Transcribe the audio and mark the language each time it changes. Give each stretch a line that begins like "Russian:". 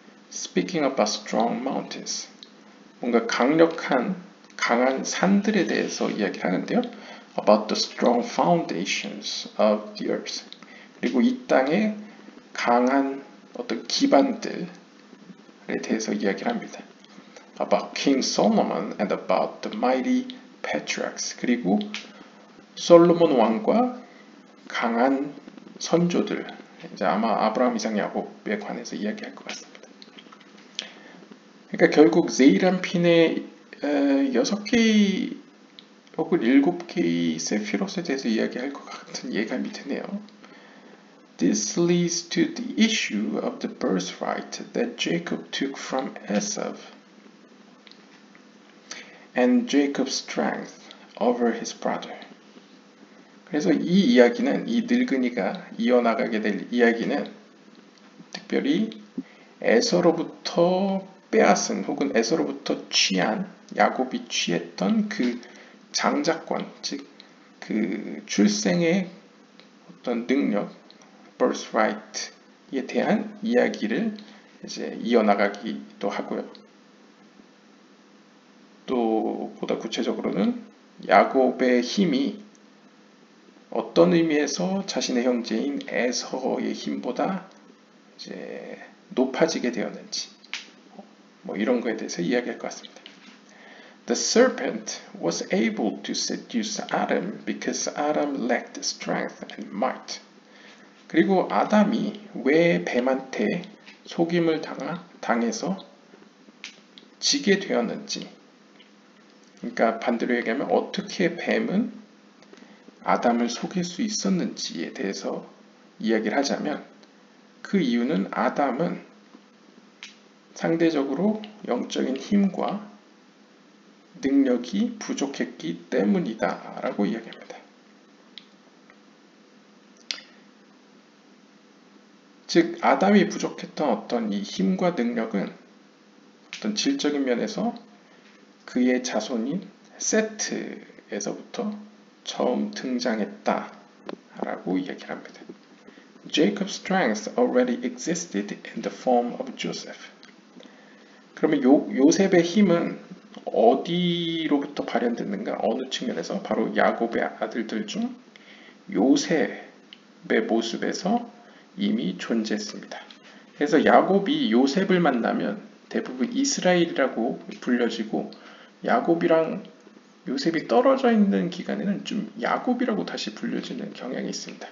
English: Speaking about strong mountains.
Korean: 뭔가 강력한, 강한 산들에 대해서 이야기를 하는데요.
English: About the strong foundations of the earth.
Korean: 그리고 이 땅의 강한 어떤 기반들에 대해서 이야기를 합니다.
English: About King Solomon and about the mighty patriarchs.
Korean: 그리고 솔로몬 왕과 강한 선조들. 이제 아마 아브라함, 이삭, 야곱에 관해서 이야기할 것 같습니다. 그러니까 결국 제이란 핀의 6개의 혹은 7개의 세피롯에 대해서 이야기할 것 같은 예감이 드네요.
English: This leads to the issue of the birthright that Jacob took from Esau and Jacob's strength over his brother.
Korean: 그래서 이 이야기는, 이 늙은이가 이어나가게 될 이야기는 특별히 에서로부터 빼앗은 혹은 에서로부터 취한, 야곱이 취했던 그 장자권, 즉그 출생의 어떤 능력, birthright에 대한 이야기를 이제 이어나가기도 하고요. 또 보다 구체적으로는 야곱의 힘이 어떤 의미에서 자신의 형제인 에서의 힘보다 이제 높아지게 되었는지, 뭐 이런 거에 대해서 이야기할 것 같습니다.
English: The serpent was able to seduce Adam because Adam lacked strength and might.
Korean: 그리고 아담이 왜 뱀한테 속임을 당해서 지게 되었는지, 그러니까 반대로 얘기하면 어떻게 뱀은 아담을 속일 수 있었는지에 대해서 이야기를 하자면, 그 이유는 아담은 상대적으로 영적인 힘과 능력이 부족했기 때문이다라고 이야기합니다. 즉, 아담이 부족했던 어떤 이 힘과 능력은 어떤 질적인 면에서 그의 자손인 세트에서부터 처음 등장했다라고 이야기를 합니다.
English: Jacob's strength already existed in the form of Joseph.
Korean: 그러면 요셉의 힘은 어디로부터 발현됐는가? 어느 측면에서? 바로 야곱의 아들들 중 요셉의 모습에서 이미 존재했습니다. 그래서 야곱이 요셉을 만나면 대부분 이스라엘이라고 불려지고, 야곱이랑 요셉이 떨어져 있는 기간에는 좀 야곱이라고 다시 불려지는 경향이 있습니다.